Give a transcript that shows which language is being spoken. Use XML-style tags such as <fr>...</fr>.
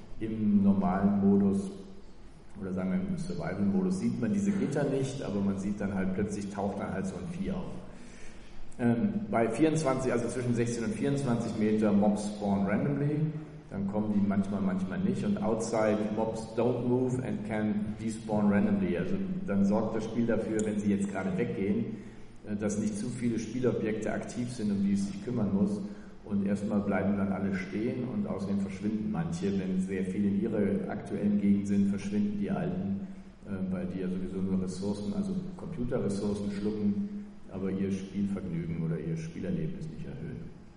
<de>Im normalen Modus, oder sagen wir im Survival-Modus, sieht man diese Gitter nicht, aber man sieht dann halt plötzlich, taucht dann halt so ein Vieh auf. Bei 24, also zwischen 16 und 24 Meter,</de> <en>Mobs spawn randomly,</en> <de>dann kommen die manchmal, manchmal nicht.</de> <en>Und outside, Mobs don't move and can despawn randomly.</en> <de>Also dann sorgt das Spiel dafür, wenn sie jetzt gerade weggehen, dass nicht zu viele Spielobjekte aktiv sind, um die es sich kümmern muss. Und erstmal bleiben dann alle stehen und außerdem verschwinden manche. Wenn sehr viele in ihrer aktuellen Gegend sind, verschwinden die alten, weil die ja sowieso nur Ressourcen, also Computerressourcen schlucken, aber ihr Spielvergnügen oder ihr Spielerlebnis nicht erhöhen.</de>